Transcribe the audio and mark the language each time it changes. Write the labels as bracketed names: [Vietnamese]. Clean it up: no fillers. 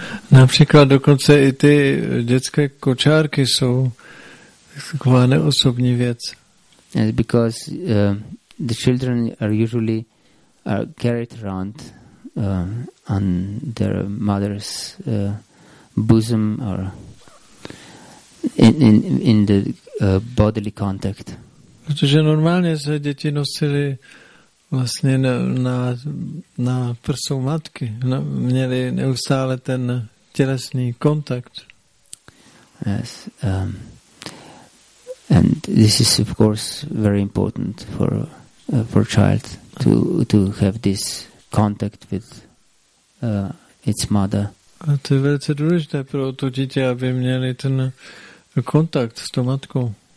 [Czech] Například dokonce i ty dětské kočárky jsou taková neosobní věc. [English] And because the children are usually are carried around on their mother's bosom or in the bodily contact. [Czech] Protože normálně se děti nosili vlastně na prsou matky, měli neustále ten tělesný kontakt. [English] Yes. And this is of course very important for child to have this contact with its mother. [Czech] A to je velice důležité pro to dítě, aby měli ten kontakt s tou matkou.